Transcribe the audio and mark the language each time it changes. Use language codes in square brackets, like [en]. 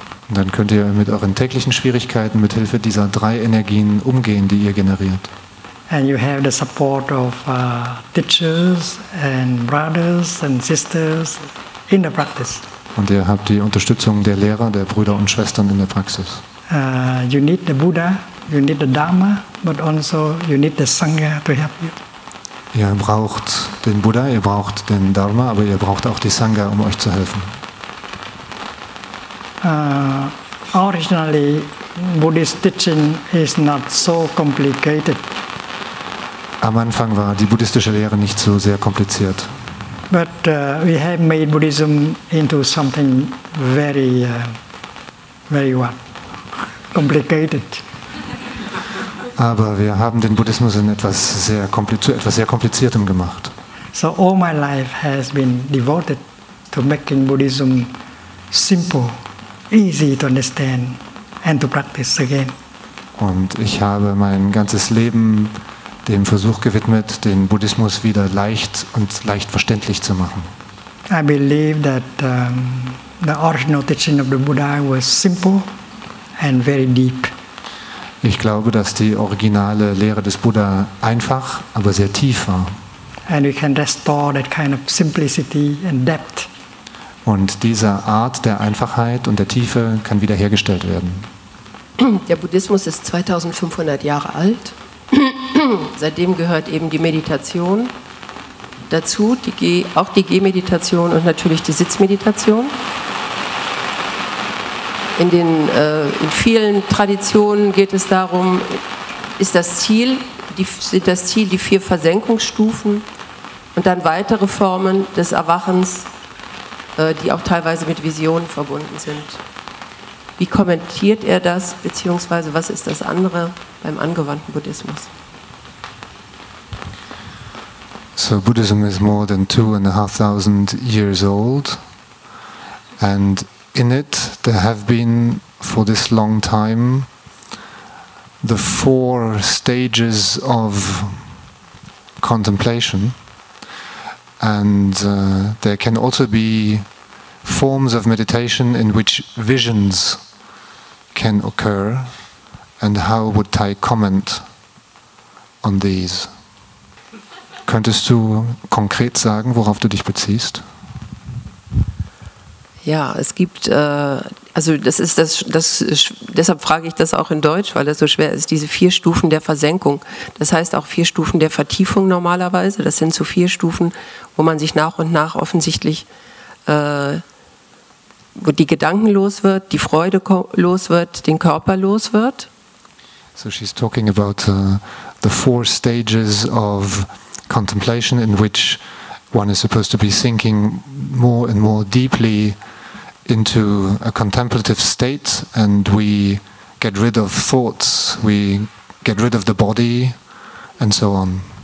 [de] Dann könnt ihr mit euren täglichen Schwierigkeiten mit Hilfe dieser drei Energien umgehen, die ihr generiert. [en] And you have the support of teachers and brothers and sisters in the practice. [de] Und ihr habt die Unterstützung der Lehrer, der Brüder und Schwestern in der Praxis. [en] You need the Buddha, you need the Dharma, but also you need the Sangha to help you. [de] Ihr braucht den Buddha, ihr braucht den Dharma, aber ihr braucht auch die Sangha, um euch zu helfen. [en] Originally, Buddhist teaching is not so complicated. [de] Am Anfang war die buddhistische Lehre nicht so sehr kompliziert. [en] But we have made Buddhism into something very, very what? Complicated. [de] Aber wir haben den Buddhismus in etwas sehr Kompliziertem gemacht. [en] So all my life has been devoted to making Buddhism simple, easy to understand and to practice again. [de] Und ich habe mein ganzes Leben dem Versuch gewidmet, den Buddhismus wieder leicht und leicht verständlich zu machen. [en] I believe that the original teaching of the Buddha was simple and very deep. [de] Ich glaube, dass die originale Lehre des Buddha einfach, aber sehr tief war. [en] And we can restore that kind of simplicity and depth. [de] Und diese Art der Einfachheit und der Tiefe kann wiederhergestellt werden. Der Buddhismus ist 2500 Jahre alt. Seitdem gehört eben die Meditation dazu, auch die Gehmeditation und natürlich die Sitzmeditation. In vielen Traditionen geht es darum, sind das Ziel die vier Versenkungsstufen und dann weitere Formen des Erwachens, die auch teilweise mit Visionen verbunden sind. Wie kommentiert er das, beziehungsweise was ist das andere beim angewandten Buddhismus? [en] So Buddhism is more than 2,500 years old, and in it there have been for this long time the four stages of contemplation, and there can also be forms of meditation in which visions can occur, and how would Thay comment on these? [de] Könntest du konkret sagen, worauf du dich beziehst? Ja, es gibt, also das ist das, deshalb frage ich das auch in Deutsch, weil das so schwer ist, diese vier Stufen der Versenkung. Das heißt auch vier Stufen der Vertiefung normalerweise. Das sind so vier Stufen, wo man sich nach und nach offensichtlich, wo die Gedanken los wird, die Freude los wird, den Körper los wird. [en] So she's talking about the four stages of contemplation in which one is supposed to be sinking more and more deeply into a contemplative state, and we get rid of thoughts, we get rid of the body, and so on.